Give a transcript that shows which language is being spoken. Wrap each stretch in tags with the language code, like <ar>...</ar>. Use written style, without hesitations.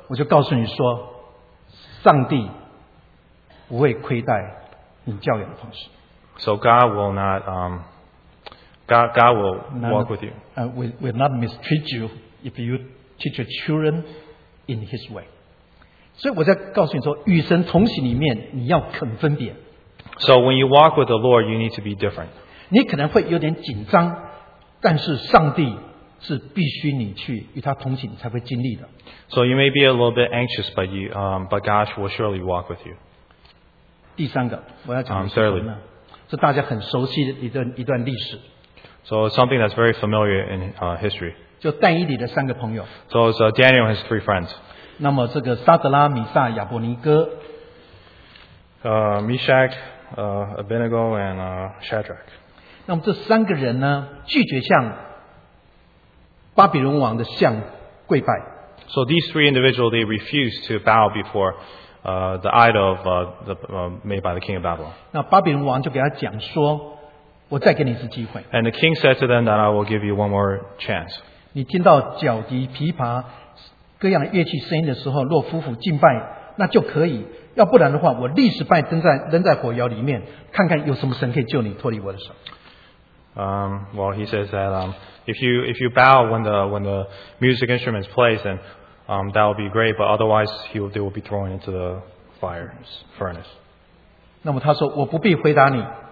<zh>我就告诉你说, 上帝不会亏待你教养的方式。</zh> <en>So God will not God will walk with you. Will not mistreat you if you teach your children in his way.</en> <zh>所以我在告诉你说,与神同行里面,</zh> <en>so when you walk with the Lord, you need to be different.</en> <zh>你可能会有点紧张, 但是上帝是必须你去与他同行才会经历的。</zh> <en>So you may be a little bit anxious, but you but God will surely walk with you.</en> <zh>第三个,我要讲的是什么呢?是大家很熟悉的一段历史。</zh> <en>So something that's very familiar in history.</en> <zh>就但以理的三个朋友。</zh> <en>So it's Daniel and his three friends.</en> <zh>那么这个撒德拉米撒亚伯尼哥,</zh> <en>Meshach, Abednego, and Shadrach.</en> <zh>那么这三个人呢, 拒绝向巴比伦王的像跪拜。</zh> <en>So these three individuals, they refused to bow before the idol of made by the king of Babylon.</en> <zh>那巴比伦王就给他讲说, 我再给你一次机会。</zh> <en>And the king said to them that I will give you one more chance.</en> <zh>你听到脚底琵琶, 各样乐器声音的时候, 若夫妇敬拜, 那就可以, 要不然的话, 我立时拜, 扔在火窑里面, 看看有什么神可以救你脱离我的手。</zh> <en>Well, he says that if you bow when the music instruments plays, then that will be great, but otherwise they will be thrown into the fire's furnace.</en> <zh>那么他说, 我不必回答你。</zh>